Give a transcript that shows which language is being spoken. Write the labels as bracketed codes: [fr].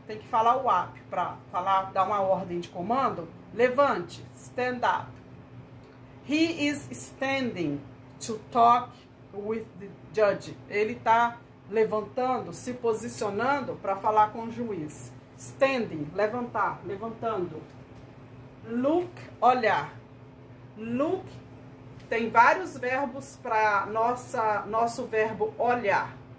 [pt] Tem que falar o up para falar, dar uma ordem de comando. Levante. [en] Stand up. He is standing to talk with the judge. [pt] Ele está levantando, se posicionando para falar com o juiz. Standing, levantar, levantando. Look, olhar. Look, tem vários verbos para nosso verbo olhar.